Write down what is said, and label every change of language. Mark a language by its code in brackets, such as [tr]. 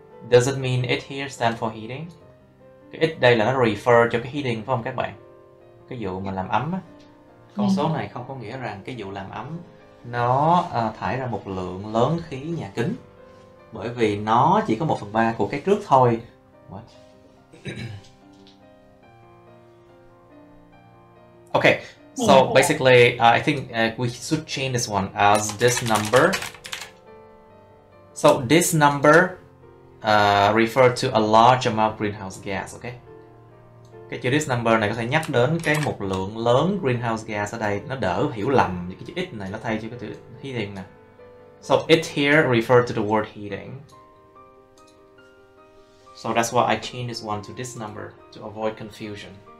[en] Does it mean it here stand for heating? [vi] Cái it đây là nó refer cho cái heating phải không các bạn? Cái vụ mà làm ấm á. Con số này không có nghĩa rằng cái vụ làm ấm nó thải ra một lượng lớn khí nhà kính, bởi vì nó chỉ có 1/3 của cái trước thôi. [en] What? Okay, so basically, I think we should change this one as this number. So this number refer to a large amount of greenhouse gas, okay? [vi] Cái chữ [en] this number [vi] này có thể nhắc đến cái một lượng lớn greenhouse gas ở đây. Nó đỡ hiểu lầm, cái chữ it này nó thay cho cái chữ heating nè. [en] So it here refer to the word heating. So that's why I change this one to this number to avoid confusion.